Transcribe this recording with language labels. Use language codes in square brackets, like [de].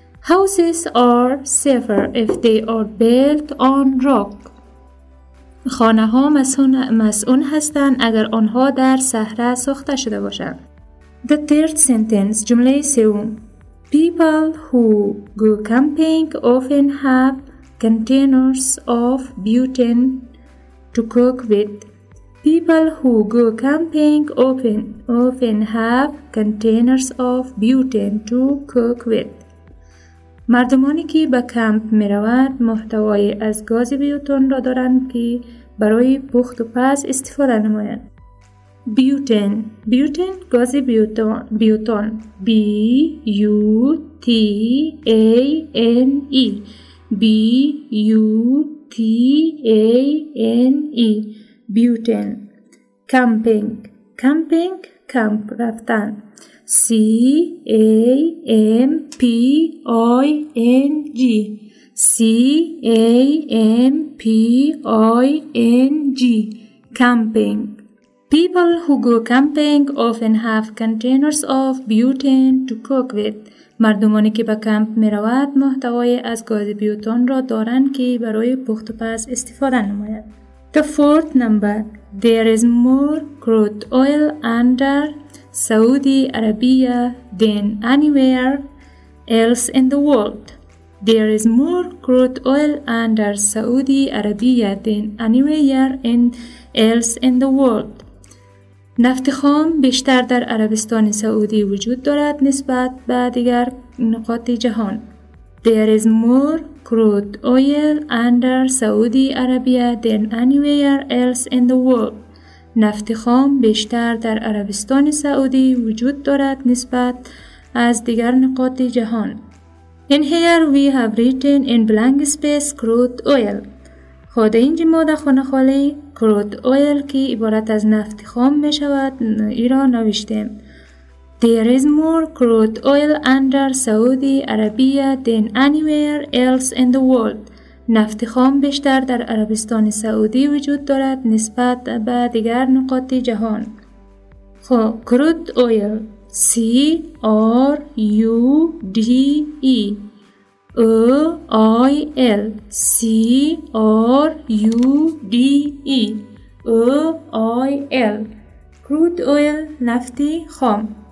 [en] Houses are safer if they are built on rock. [fa] خانه ها مسئول هستند اگر آنها در صحرا ساخته شده باشند. [en] The third sentence, [fa] جمله سوم. [en] People who go camping often have containers of butane to cook with. People who go camping often have containers of butane to cook with. [fa] مردمانی که به کمپ می روند محتوای از گاز بیوتن را دارند که برای پخت و پز استفاده نمایند. بیوتن، بیوتن گاز بیوتن، [en] B U T A N E, B U T A N E, butane. Camping, camping, [fa] کمپ رفتن، [en] C A M P I N G, C A M P I N G, camping. People who go camping often have containers of butane to cook with. [fa] مردمانی که به کمپ می روید محتوای از گاز بیوتن را دارند که برای پخت و پز استفاده نماید. [en] The fourth number. There is more crude oil under Saudi Arabia than anywhere else in the world. There is more crude oil under Saudi Arabia than anywhere else in the world. [fa] نفت خام بیشتر در عربستان سعودی وجود دارد نسبت به دیگر نقاط جهان. [en] There is more crude oil under Saudi Arabia than anywhere else in the world. [fa] نفت خام بیشتر در عربستان سعودی وجود دارد نسبت از دیگر نقاط جهان. [en] In here we have written in blank space crude oil. [fa] خود اینجا ما در خانه خالی کرود اویل که عبارت از نفت خام می شود ای را نوشتیم. [en] There is more crude oil under Saudi Arabia than anywhere else in the world. [fa] نفت خام بیشتر در عربستان سعودی وجود دارد نسبت به دیگر نقاط جهان. [en] خب crude oil C-R-U-D-E O I L C R U D E O I L crude oil [fa] نفتی خام.